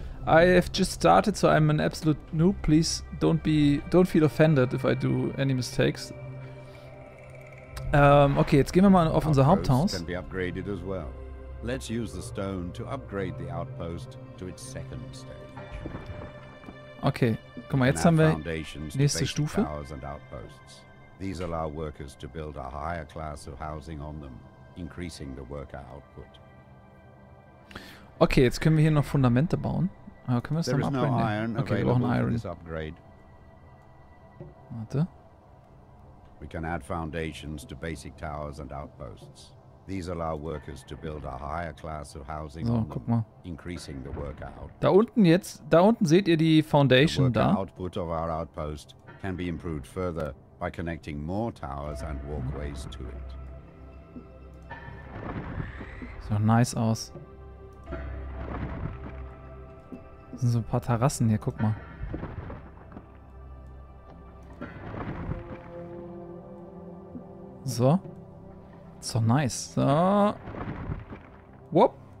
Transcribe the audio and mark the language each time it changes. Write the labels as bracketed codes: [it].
[en] I have just started, so I'm an absolute noob. Please don't feel offended if I do any mistakes. [de] Okay, jetzt gehen wir mal auf unser Haupthaus. [en] Can be upgraded as well. Let's use the stone to upgrade the outpost to its second stage. [de] Okay, guck mal, jetzt haben wir nächste Stufe. [en] Towers and outposts. These allow workers to build a higher class of housing on them, increasing the worker output. [de] Okay, jetzt können wir hier noch Fundamente bauen. Aber können wir es dann [en] upgraden? No iron. [de] Okay, wir brauchen Iron. Upgrade. Warte. [en] We can add foundations to basic towers and outposts. These allow workers to build a higher class of housing, [de] so, guck mal. [en] Increasing the worker output. [de] Da unten jetzt, da unten seht ihr die Foundation da. [en] The output of our outpost can be improved further by connecting more towers and walkways to it. [de] Sieht doch nice aus. Das sind so ein paar Terrassen hier, guck mal. [en] So. So nice. So. Whoop.